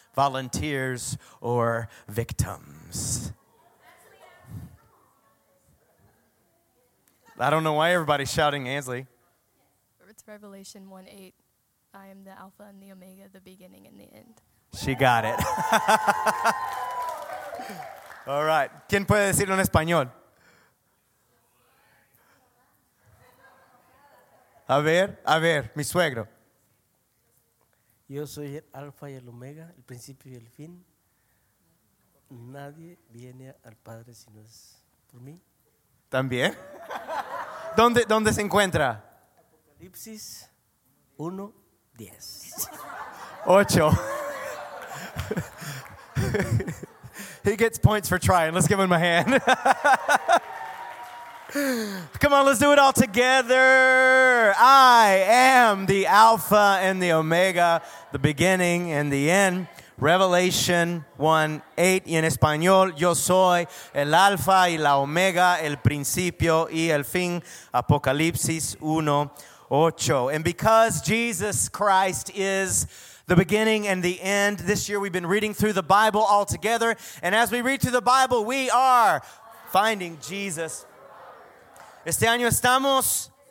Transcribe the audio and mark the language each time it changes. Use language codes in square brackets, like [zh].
[en] Volunteers or victims? I don't know why everybody's shouting, Ansley. It's Revelation 1:8. I am the Alpha and the Omega, the beginning and the end. She got it. All right. [es] ¿Quién puede decirlo en español? A ver, mi suegro. Yo soy el Alfa y el Omega, el principio y el fin. Nadie viene al Padre si no es por mí. ¿También? ¿Dónde se encuentra? Apocalipsis 1, 10. 8. [en] He gets points for trying. Let's give him a hand. Come on, let's do it all together. I am the Alpha and the Omega, the beginning and the end. Revelation 1:8. [es] Y en español, yo soy el Alpha y la Omega, el principio y el fin. Apocalipsis 1:8. [en] And because Jesus Christ is the beginning and the end, this year we've been reading through the Bible all together. And as we read through the Bible, we are finding Jesus. [es] Este año estamos.